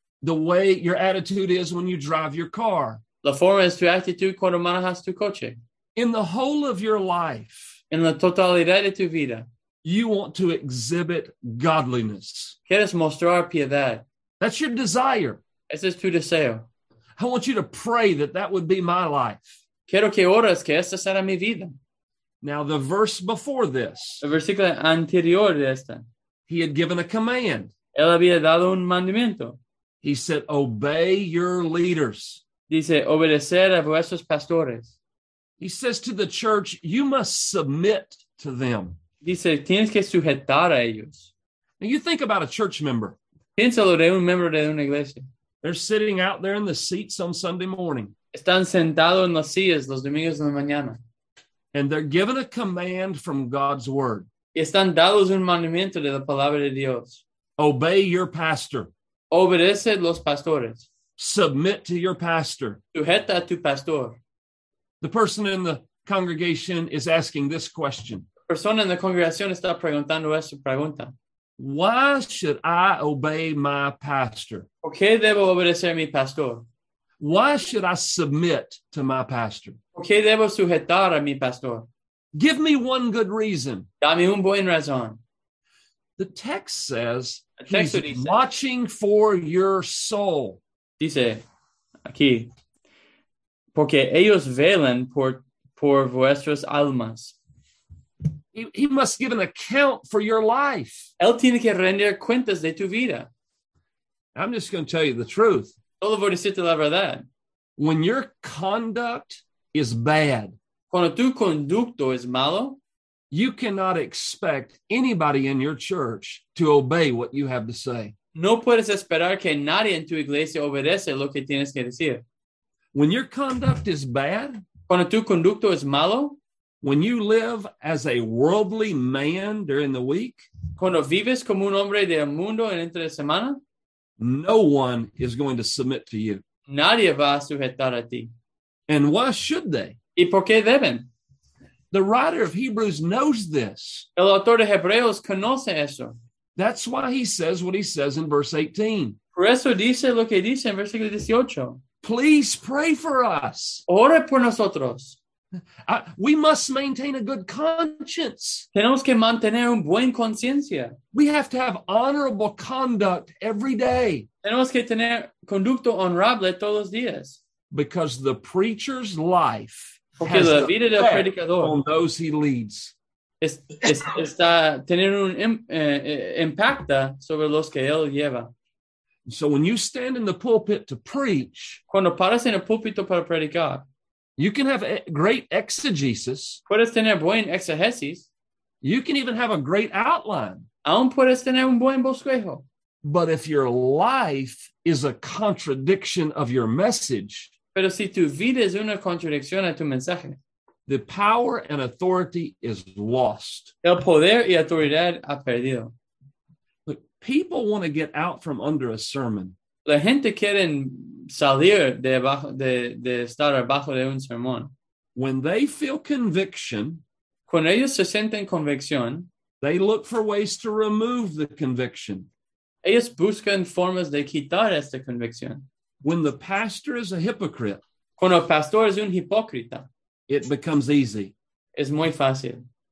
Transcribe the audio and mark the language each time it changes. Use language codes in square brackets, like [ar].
[en] The way your attitude is when you drive your car. [es] La forma es tu actitud cuando manejas tu coche. [en] In the whole of your life. [es] En la totalidad de tu vida. [en] You want to exhibit godliness. [es] Quieres mostrar piedad. [en] That's your desire. [es] Ese es tu deseo. [en] I want you to pray that that would be my life. [es] Quiero que ores que esta sea mi vida. [en] Now the verse before this. [es] El versículo anterior de esta. [en] He had given a command. [es] Él había dado un mandamiento. [en] He said, obey your leaders. [es] Dice, obedecer a vuestros pastores. [en] He says to the church, you must submit to them. [es] Dice, tienes que sujetar a ellos. [en] Now you think about a church member. [es] Piénsalo, de un miembro de una iglesia. [en] They're sitting out there in the seats on Sunday morning. [es] Están sentados en las sillas los domingos de la mañana. [en] And they're given a command from God's word. [es] Y están dados un mandamiento de la palabra de Dios. [en] Obey your pastor. [es] Obedece los pastores. [en] Submit to your pastor. [es] Sujeta a tu pastor. [en] The person in the congregation is asking this question. [es] La persona en la congregación está preguntando esta pregunta. [en] Why should I obey my pastor? [es] ¿Por qué debo obedecer a mi pastor? [en] Why should I submit to my pastor? [es] ¿Por qué debo sujetar a mi pastor? [en] Give me one good reason. [es] Dame un buen razón. [en] The text says, he's watching for your soul. [es] Dice aquí, porque ellos velan por vuestras almas. [en] He must give an account for your life. [es] Él tiene que render cuentas de tu vida. [en] I'm just going to tell you the truth. [es] Solo voy a decirte la verdad. [en] When your conduct is bad, [es] cuando tu conducto es malo, [en] you cannot expect anybody in your church to obey what you have to say. [es] No puedes esperar que nadie en tu iglesia obedece lo que tienes que decir. [en] When your conduct is bad, [es] cuando tu conducto es malo, [en] when you live as a worldly man during the week, [es] cuando vives como un hombre del mundo en entre semana, [en] no one is going to submit to you. [es] Nadie va a sujetar a ti. [en] And why should they? [es] ¿Y por qué deben? [en] The writer of Hebrews knows this. [es] El autor de Hebreos conoce eso. [en] That's why he says what he says in verse 18. [es] Por eso dice lo que dice en versículo 18. [en] Please pray for us. [es] Ore por nosotros. [en] We must maintain a good conscience. [es] Tenemos que mantener un buen conciencia. [en] We have to have honorable conduct every day. [es] Tenemos que tener conducto honorable todos los días. [en] Because the preacher's life [es] porque [en] has [es] la vida del predicador [en] on those he leads. [es] Está teniendo un impacto sobre los que él lleva. [en] So when you stand in the pulpit to preach, [es] cuando paras en el púlpito para predicar, [en] you can have a great exegesis. [es] Puedes tener buen exegesis. [en] You can even have a great outline. [es] Aún puedes tener un buen bosquejo. [en] But if your life is a contradiction of your message, [es] pero si tu vida es una contradicción a tu mensaje, [en] the power and authority is lost. [es] El poder y autoridad ha perdido. [en] Look, people want to get out from under a sermon. [es] La gente quiere salir de estar abajo de un sermón. [en] When they feel conviction, [es] cuando ellos se sienten convicción, [en] they look for ways to remove the conviction. [es] Ellos buscan formas de quitar esta convicción. [en] When the pastor is a hypocrite, [es] cuando el pastor es un hipócrita, [en] it becomes easy. [es] Es muy fácil.